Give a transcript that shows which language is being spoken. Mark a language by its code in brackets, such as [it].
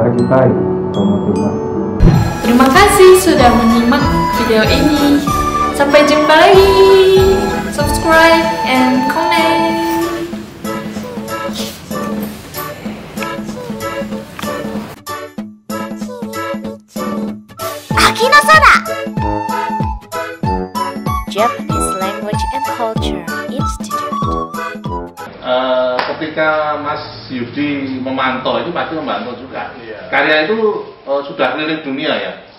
[ja] さっぱりわかりませんが、興味深いが、たくさんあります。いつか日本で働きたいと思っています。 [id] Terima kasih sudah menyimak video ini. Sampai jumpa lagi. [en] Subscribe and comment. Akinasara. Japanese Language and Culture Institute. [id] Ketika Mas Yudi memantau itu pasti membantu juga. Iya. Karya itu sudah keliling dunia ya.